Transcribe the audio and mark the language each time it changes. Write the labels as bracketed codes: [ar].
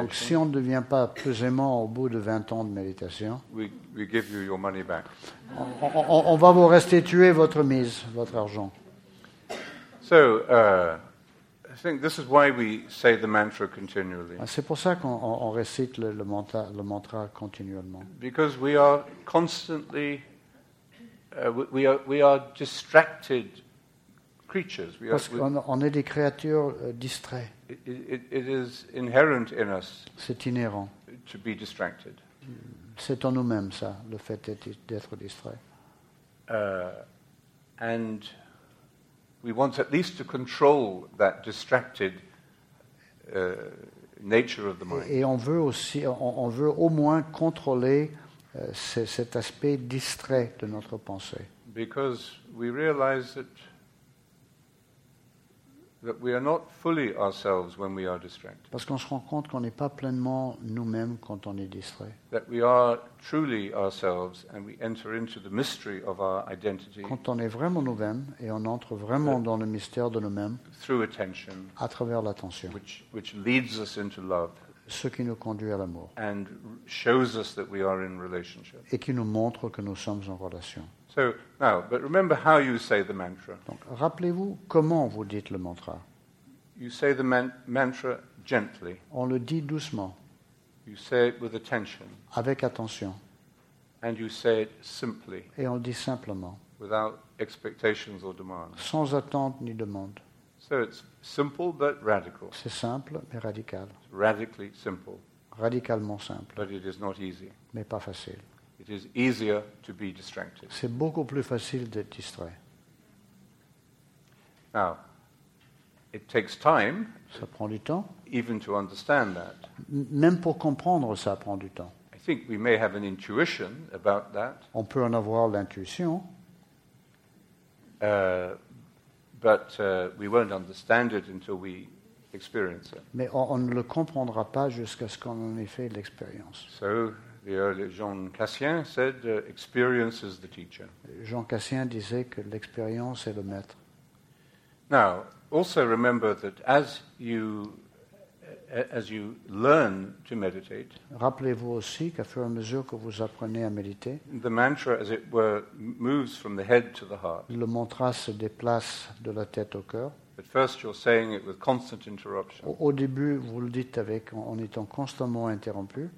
[fr] Donc si on ne devient pas plus aimant au bout de 20 ans de méditation. [en] We give you your money back. [fr] On va vous restituer votre mise, votre argent. [en] So I think this is why we say the mantra continually. [fr] C'est pour ça qu'on récite le mantra continuellement. [en] Because we are constantly we are distracted. [fr] Parce qu'on est des créatures distraites. [en] It is inherent in us. [fr] C'est inhérent. [en] To be distracted. [fr] C'est en nous-mêmes ça, le fait d'être distrait. [en] And we want at least to control that distracted nature of the mind. [fr] Et on veut aussi, on veut au moins contrôler cet aspect distrait de notre pensée. [en] Because we realize that we are not fully ourselves when we are distracted. [fr] Parce qu'on se rend compte qu'on n'est pas pleinement nous-mêmes quand on est distrait. [en] That we are truly ourselves and we enter into the mystery of our identity. [fr] Quand on est vraiment nous-mêmes et on entre vraiment dans le mystère de nous-mêmes. [en] Through attention. [fr] À travers l'attention. [en] Which leads us into love. [fr] Ce qui nous conduit à l'amour. [en] And shows us that we are in relationship. [fr] Et qui nous montre que nous sommes en relation. [en] So now, but remember how you say the mantra. [fr] Donc, rappelez-vous comment vous dites le mantra. [en] You say the mantra gently. [fr] On le dit doucement. [en] You say it with attention. [fr] Avec attention. [en] And you say it simply. [fr] Et on le dit simplement. [en] Without expectations or demands. [fr] Sans attente ni demande. [en] So it's simple but radical. [fr] C'est simple mais radical. [en] It's radically simple. [fr] Radicalement simple. [en] But it is not easy. [fr] Mais pas facile. [en] It is easier to be distracted. [fr] C'est beaucoup plus facile d'être distrait. [en] Now, it takes time. [fr] Ça prend du temps. [en] Even to understand that. [fr] Même pour comprendre, ça prend du temps. [en] I think we may have an intuition about that. [fr] On peut en avoir l'intuition. [en] But we won't understand it until we experience it. [fr] Mais on ne le comprendra pas jusqu'à ce qu'on en ait fait l'expérience. [en] So. The early Jean Cassien said, "Experience is the teacher." [fr] Jean Cassien disait que l'expérience est le maître. [en] Now, also remember that as you learn to meditate. [fr] Rappelez-vous aussi qu'à fur et à mesure que vous apprenez à méditer, [en] the mantra, as it were, moves from the head to the heart. [fr] Le mantra se déplace de la tête au cœur. [en] At first, you're saying it with constant interruption. [fr] Au début, vous le dites avec, en étant constamment interrompu.